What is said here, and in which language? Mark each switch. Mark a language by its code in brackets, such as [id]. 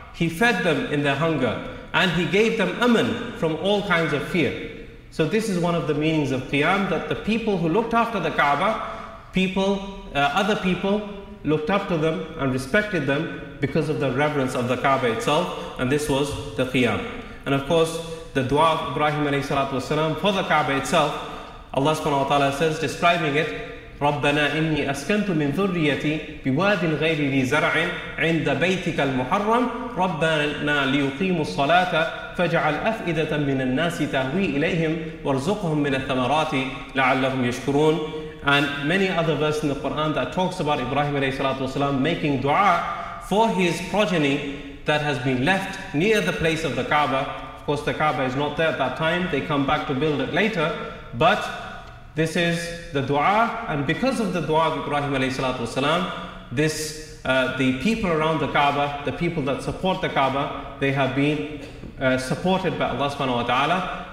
[en] He fed them in their hunger and He gave them aman from all kinds of fear. So this is one of the meanings of Qiyam, that the people who looked after the Kaaba, other people looked up to them and respected them because of the reverence of the Kaaba itself, and this was the Qiyam. And of course, the dua of Ibrahim alayhi salatu wasalam for the Kaaba itself, Allah subhanahu wa ta'ala says, describing it, [ar] رَبَّنَا إِنِّي أَسْكَنْتُ مِنْ ذُرِّيَّتِي بِوَادٍ غَيْرِ ذِي زَرْعٍ عِنْدَ بَيْتِكَ الْمُحَرَّمِ رَبَّنَا لِيُقِيمُوا الصَّلَاةَ فَاجْعَلْ أَفْئِدَةً مِنَ النَّاسِ تَهْوِي إِلَيْهِمْ وَارْزُقْهُم مِّنَ الثَّمَرَاتِ لَعَلَّهُمْ يَشْكُرُونَ. [en] And many other verses in the Quran that talks about Ibrahim alayhi salatu wasalam making dua for his progeny that has been left near the place of the Kaaba. Of course, the Kaaba is not there at that time, they come back to build it later, but this is the dua, and because of the dua of Ibrahim alayhi salatu wasalam, the people around the Kaaba, the people that support the Kaaba, they have been supported by Allah subhanahu wa ta'ala.